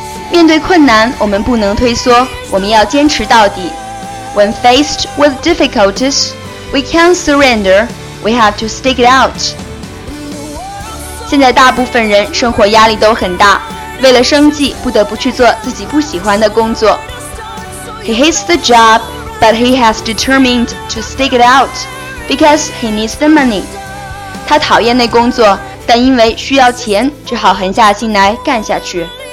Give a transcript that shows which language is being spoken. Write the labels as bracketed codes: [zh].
[zh] 面对困难，我们不能退缩，我们要坚持到底。 [en] When faced with difficulties, we can't surrender, we have to stick it out. [zh] 现在大部分人生活压力都很大，为了生计不得不去做自己不喜欢的工作。 [en] He hates the job, but he has determined to stick it out because he needs the money. [zh] 他讨厌那工作，但因为需要钱，只好狠下心来干下去。